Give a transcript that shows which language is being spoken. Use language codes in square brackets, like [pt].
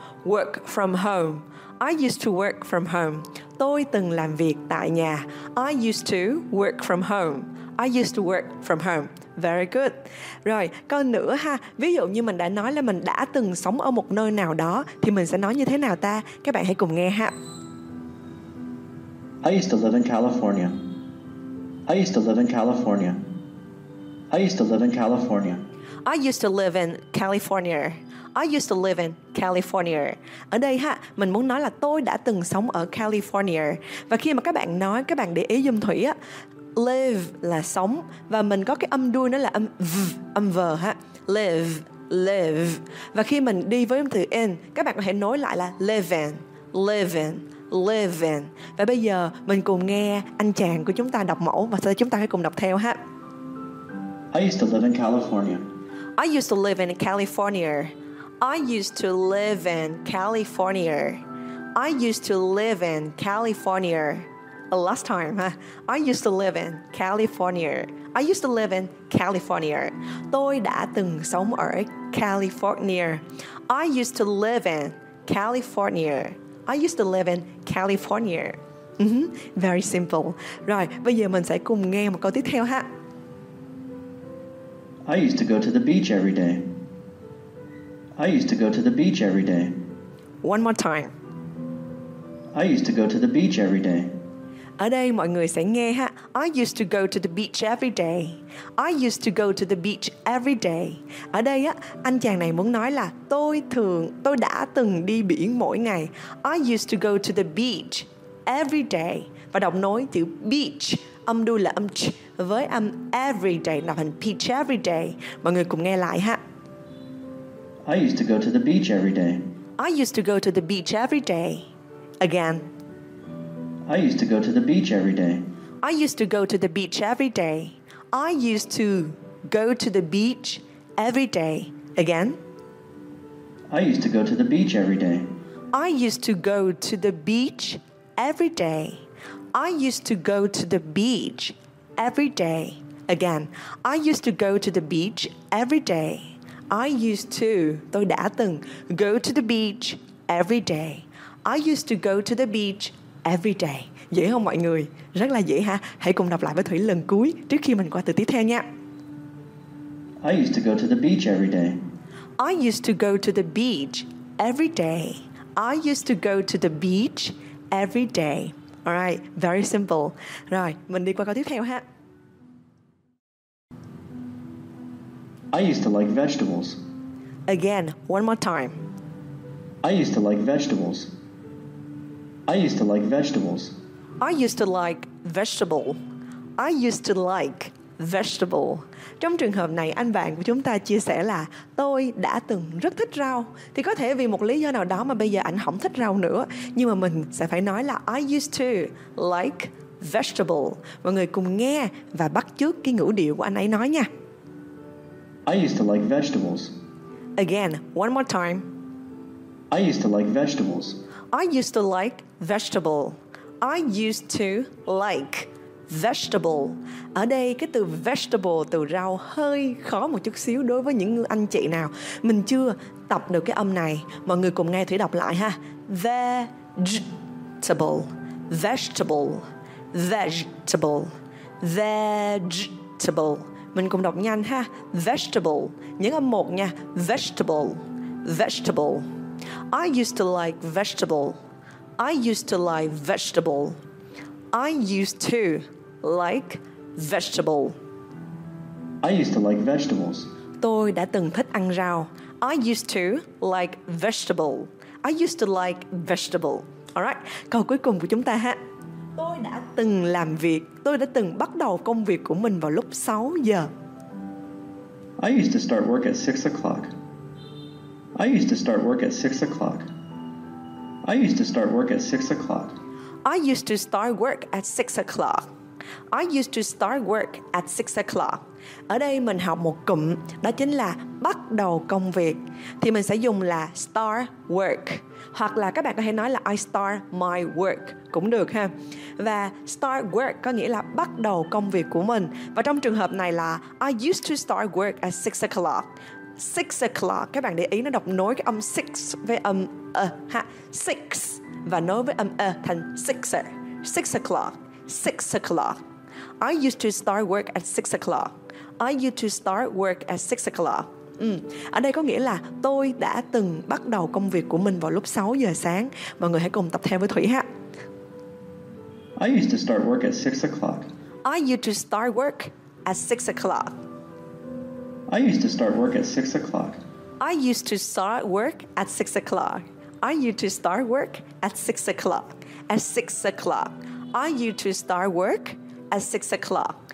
[en] Work from home. I used to work from home. [vi] Tôi từng làm việc tại nhà. [en] I used to work from home. I used to work from home. Very good. [vi] Rồi, còn nữa ha. Ví dụ như mình đã nói là mình đã từng sống ở một nơi nào đó, thì mình sẽ nói như thế nào ta? Các bạn hãy cùng nghe ha. [en] I used to live in California. I used to live in California. I used to live in California. I used to live in California. I used to live in California. [vi] Ở đây ha, mình muốn nói là tôi đã từng sống ở California. Và khi mà các bạn nói, các bạn để ý giùm Thủy á, live là sống và mình có cái âm đuôi nó là âm v, âm v ha. Live, live. Và khi mình đi với âm từ in, các bạn có thể nối lại là live in, live in, live in. Và bây giờ mình cùng nghe anh chàng của chúng ta đọc mẫu và sau đó chúng ta hãy cùng đọc theo ha. [en] I used to live in California. I used to live in California. I used to live in California. I used to live in California. Last time, huh? I used to live in California. I used to live in California. [vi] Tôi đã từng sống ở California. [en] I used to live in California. I used to live in California. Very simple. [vi] Rồi, bây giờ mình sẽ cùng nghe một câu tiếp theo ha. [en] I used to go to the beach every day. I used to go to the beach every day. One more time. I used to go to the beach every day. [vi] Ở đây mọi người sẽ nghe ha. [en] I used to go to the beach every day. I used to go to the beach every day. [vi] Ở đây á, anh chàng này muốn nói là tôi đã từng đi biển mỗi ngày. [en] I used to go to the beach every day. [vi] Và đọc nối chữ beach âm đuôi là âm ch với âm everyday nạp thành beach everyday. Mọi người cùng nghe lại ha. [en] I used to go to the beach every day. I used to go to the beach every day. Again. I used to go to the beach every day. I used to go to the beach every day. I used to go to the beach every day. Again. I used to go to the beach every day. I used to go to the beach every day. I used to go to the beach every day. Again. I used to go to the beach every day. I used to, [vi] tôi đã từng, [en] go to the beach every day. I used to go to the beach every day. [vi] Dễ không mọi người? Rất là dễ ha. Hãy cùng đọc lại với Thủy lần cuối trước khi mình qua từ tiếp theo nha. [en] I used to go to the beach every day. I used to go to the beach every day. I used to go to the beach every day. All right, very simple. [vi] Rồi, mình đi qua câu tiếp theo ha. [en] I used to like vegetables. Again, one more time. I used to like vegetables. I used to like vegetables. I used to like vegetable. I used to like vegetable. [vi] Trong trường hợp này, anh bạn của chúng ta chia sẻ là tôi đã từng rất thích rau. Thì có thể vì một lý do nào đó mà bây giờ anh không thích rau nữa. Nhưng mà mình sẽ phải nói là [en] I used to like vegetable. [vi] Mọi người cùng nghe và bắt chước cái ngữ điệu của anh ấy nói nha. [en] I used to like vegetables. Again, one more time. I used to like vegetables. I used to like vegetable. I used to like vegetable. [vi] Ở đây cái từ vegetable, từ rau hơi khó một chút xíu đối với những anh chị nào mình chưa tập được cái âm này. Mọi người cùng nghe Thủy đọc lại ha. Vegetable. Vegetable. Vegetable. Vegetable. Mình cùng đọc nhanh ha. Vegetable. Nhấn âm một nha. Vegetable. Vegetable. [en] I used to like vegetable. I used to like vegetable. I used to like vegetable. I used to like vegetables. [vi] Tôi đã từng thích ăn rau. [en] I used to like vegetable. I used to like vegetable. All right. [vi] Câu cuối cùng của chúng ta ha. Tôi đã từng làm việc. Tôi đã từng bắt đầu công việc của mình vào lúc 6 giờ. [en] I used to start work at 6 o'clock. I used to start work at 6 o'clock. I used to start work at 6 o'clock. I used to start work at 6 o'clock. I used to start work at 6 o'clock. [vi] Ở đây mình học một cụm, đó chính là bắt đầu công việc. Thì mình sẽ dùng là start work. Hoặc là các bạn có thể nói là [en] I start my work [vi] cũng được ha. Và start work có nghĩa là bắt đầu công việc của mình. Và trong trường hợp này là [en] I used to start work at 6 o'clock. [vi] 6 o'clock, các bạn để ý nó đọc nối cái âm 6 với âm ha. 6 và nối với âm thành 6er. 6 o'clock. 6 o'clock. [en] I used to start work at 6 o'clock. I used to start work at 6 o'clock. [vi] Ở đây có nghĩa là tôi đã từng bắt đầu công việc của mình vào lúc 6 giờ sáng. Mọi người hãy cùng tập theo với Thủy ha. [en] I used to start work at 6 o'clock. I used to start work at 6 o'clock. I used to start work at 6 o'clock. I used to start work at 6 o'clock. I used to start work at 6 o'clock. At 6 o'clock. I used to start work at 6 o'clock.